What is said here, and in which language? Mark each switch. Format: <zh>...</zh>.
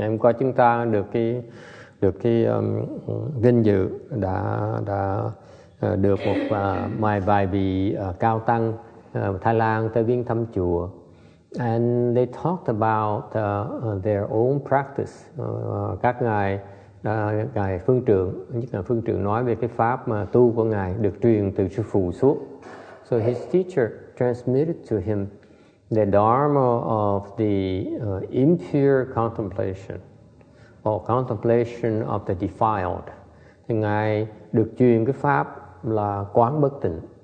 <vi>Ngày hôm qua chúng ta được cái vinh dự đã được một vài vị cao tăng Thái Lan tới viếng thăm chùa.</vi> <en>And they talked about their own practice.</en> <vi>Các ngài ngài Phương Trượng, nhất là Phương Trượng nói về cái pháp mà tu của ngài được truyền từ sư phụ xuống.</vi> <en>So his teacher transmitted to him the dharma of the impure contemplation or contemplation of the defiled.</en> <vi>Thì ngài được truyền cái pháp là quán bất tịnh.</vi>